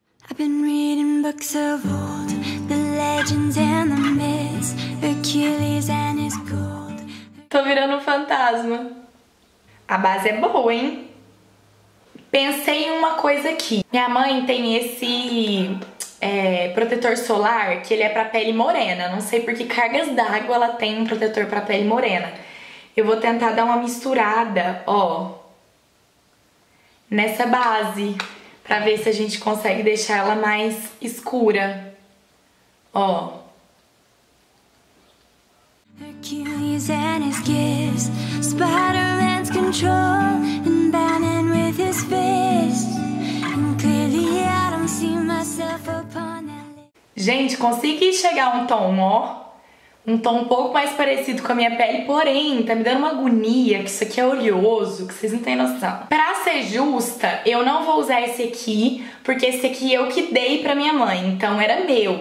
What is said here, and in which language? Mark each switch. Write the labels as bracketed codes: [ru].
[en] I've been reading books of old, the legends and the myths, Achilles and his gold. [pt] Tô virando um fantasma. A base é boa, hein? Pensei em uma coisa aqui. Minha mãe tem esse protetor solar, que ele é pra pele morena. Não sei por que cargas d'água ela tem um protetor pra pele morena. Eu vou tentar dar uma misturada, ó, nessa base, pra ver se a gente consegue deixar ela mais escura. Ó. [en] Achilles and his gifts, Spider-Man's control, and Batman with his fist. And clearly I don't see myself upon that. [pt] Gente, consegui chegar um tom, ó. Um tom um pouco mais parecido com a minha pele, porém, tá me dando uma agonia, que isso aqui é oleoso, que vocês não têm noção. Pra ser justa, eu não vou usar esse aqui, porque esse aqui eu que dei pra minha mãe, então era meu.